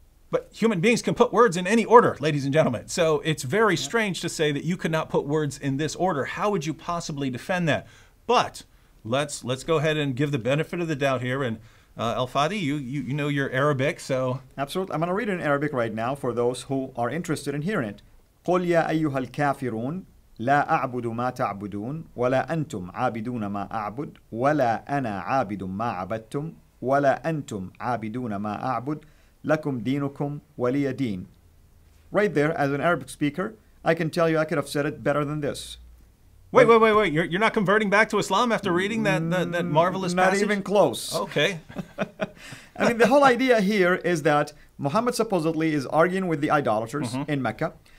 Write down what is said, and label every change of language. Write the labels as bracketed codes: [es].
[en] But human beings can put words in any order, ladies and gentlemen. So it's very strange to say that you could not put words in this order. How would you possibly defend that? But let's go ahead and give the benefit of the doubt here. And Al-Fadi, you know your Arabic, so. Absolutely. I'm going to read it in Arabic right now for those who are interested in hearing it. [ar] قُلْ يَا أَيُّهَا الْكَافِرُونَ لا أعبد ما تعبدون ولا أنتم عابدون ما أعبد ولا أنا عابد ما عبدتم ولا أنتم عابدون ما أعبد لكم دينكم ولي دين. [en] Right there, as an Arabic speaker, I can tell you I could have said it better than this. Wait. You're not converting back to Islam after reading that marvelous not passage? Not even close. Okay. I mean, the whole idea here is that Muhammad supposedly is arguing with the idolaters in Mecca.